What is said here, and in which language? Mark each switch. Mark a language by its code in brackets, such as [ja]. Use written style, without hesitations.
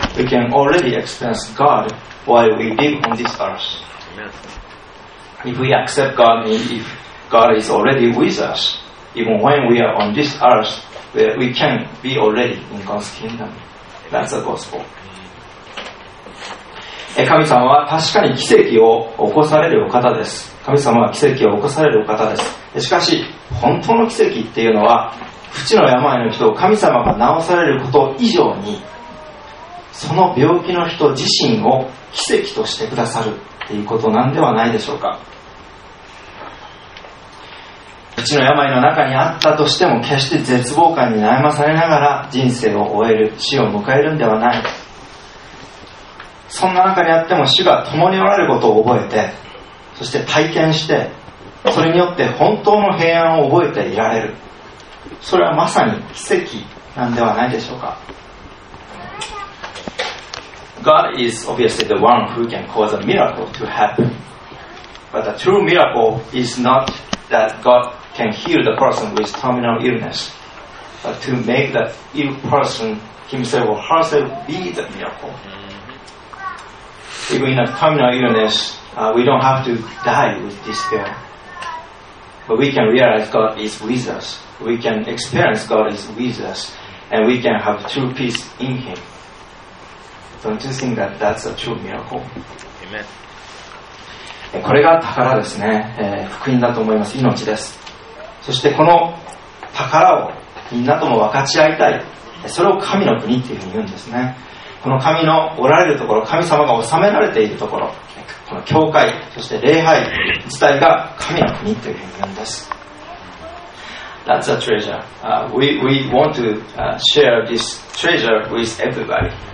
[en] We can already experience God while we live on this earth. If we accept God, if God is already with us, even when we are on this earth, we can be already in God's kingdom. That's the gospel. [ja] 神様は確かに奇跡を起こされるお方です。神様は奇跡を起こされるお方です。しかし本当の奇跡っていうのは、不治の病の人を神様が治されること以上に、その病気の人自身を奇跡としてくださるっていうことなんではないでしょうか。不治の病の中にあったとしても、決して絶望感に悩まされながら人生を終える、死を迎えるんではない。そんな中にあっても主が共におられることを覚えて、そして体験して、それによって本当の平安を覚えていられる、それはまさに奇跡なんではないでしょうか。 [en] God is obviously the one who can cause a miracle to happen. But the true miracle is not that God can heal the person with terminal illness, but to make that ill person himself or herself be the miracle. Even in a terminal illness, we don't have to die with despair. But we can realize God is with us. We can experience God is with us. And we can have true peace in Him. Don't you think that that's a true miracle? Amen. [ja] これが宝ですね。福音だと思います。命です。そしてこの宝をみんなとも分かち合いたい。それを神の国っていうふうに言うんですね。この神のおられるところ、神様が治められているところ、この教会、そして礼拝自体が神の国という意味です。 [en] That's a treasure. We want to share this treasure with everybody.